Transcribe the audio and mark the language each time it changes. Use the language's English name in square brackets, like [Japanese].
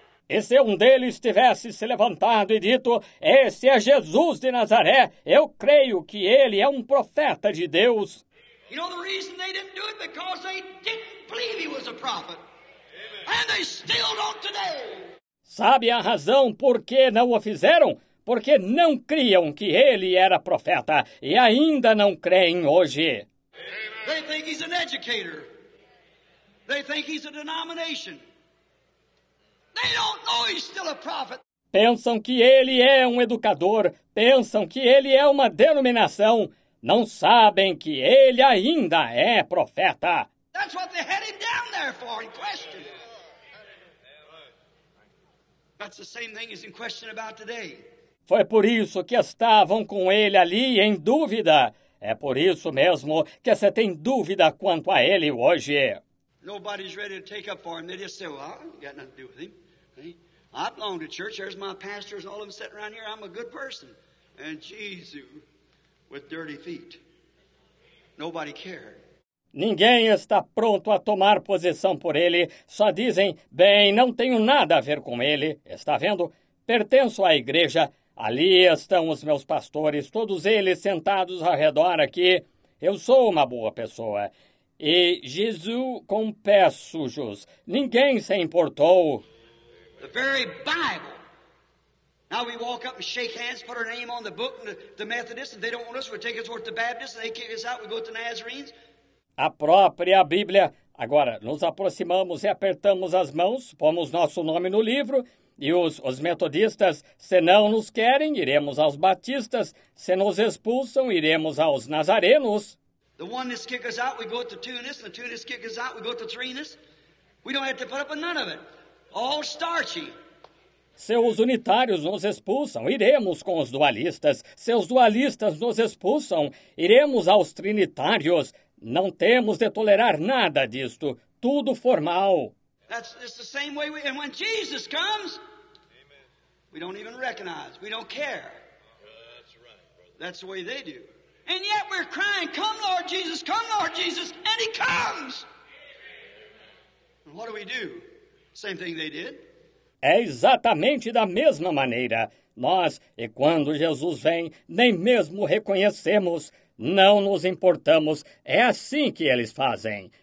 [Portuguese] Esse um deles tivesse se levantado e dito, esse é Jesus de Nazaré. Eu creio que ele é um profeta de Deus. [English] You know the reason they didn't do it? Because they didn't believe he was a prophet. Amen. And they still don't today. [Portuguese] Sabe a razão por que não o fizeram? Porque não criam que ele era profeta e ainda não creem hoje. [English] Amen. They think he's an educator. They think he's a denomination. They don't know he's still a prophet. [Portuguese] Pensam que ele é um educador. Pensam que ele é uma denominação. Não sabem que ele ainda é profeta. [English] That's what they had him down there for, in question. That's the same thing as in question about today. [Portuguese] Foi por isso que estavam com ele ali em dúvida. É por isso mesmo que você tem dúvida quanto a ele hoje. [English] Nobody's ready to take up for him. They just say, well, I ain't got nothing to do with him. I belong to church. There's my pastors and all of them sitting around here. I'm a good person. And Jesus... with dirty feet. Nobody cared. [Portuguese] Ninguém está pronto a tomar posição por ele. Só dizem, bem, não tenho nada a ver com ele. Está vendo? Pertenço à igreja. Ali estão os meus pastores, todos eles sentados ao redor aqui. Eu sou uma boa pessoa. E Jesus com pés sujos. Ninguém se importou. [English] The very Bible. Now we walk up and shake hands, put our name on the book, and the Methodists, and they don't want us, we'll take us over to the Baptists, and they kick us out, we go to the Nazarenes. [Portuguese] A própria Bíblia. Agora, nos aproximamos e apertamos as mãos, pomos nosso nome no livro, e os metodistas, se não nos querem, iremos aos batistas, se nos expulsam, iremos aos nazarenos. [English] The one that kick us out, we go to Tunis, and the two that kick us out, we go to Trinus. We don't have to put up with none of it. All starchy. [Portuguese] Seus unitários nos expulsam, iremos com os dualistas. Seus dualistas nos expulsam, iremos aos trinitários. Não temos de tolerar nada disto, tudo formal. [English] That's the same way we, and when Jesus comes, amen. We don't even recognize, we don't care. That's right, brother. That's the way they do. And yet we're crying, come Lord Jesus, and he comes. And what do? Same thing they did. [Portuguese] É exatamente da mesma maneira. Nós, e quando Jesus vem, nem mesmo reconhecemos. Não nos importamos. É assim que eles fazem.